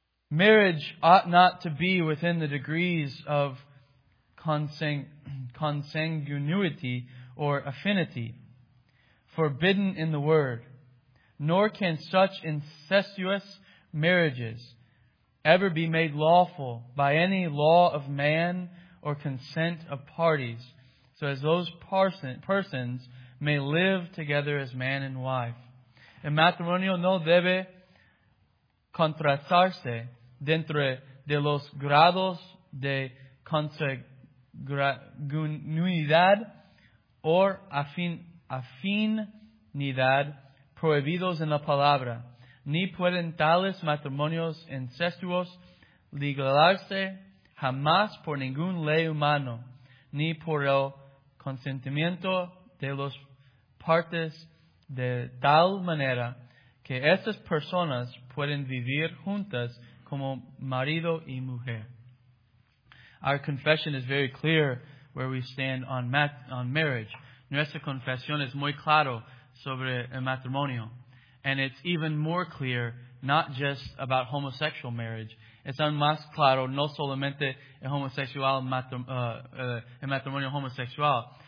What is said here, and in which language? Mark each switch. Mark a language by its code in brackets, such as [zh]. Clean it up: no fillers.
[en] Marriage ought not to be within the degrees of consanguinity or affinity, forbidden in the word, nor can such incestuous marriages ever be made lawful by any law of man or consent of parties, so as those persons may live together as man and wife. [es] El matrimonio no debe contratarse dentro de los grados de consanguinidad o afinidad prohibidos en la palabra, ni pueden tales matrimonios incestuosos legalarse jamás por ninguna ley humana, ni por el consentimiento de los partes de tal manera que estas personas pueden vivir juntas como marido y mujer. [en] Our confession is very clear where we stand on marriage. [es] Nuestra confesión es muy claro sobre el matrimonio. [en] And it's even more clear, not just about homosexual marriage. [es] Es aún más claro, no solamente el matrimonio homosexual.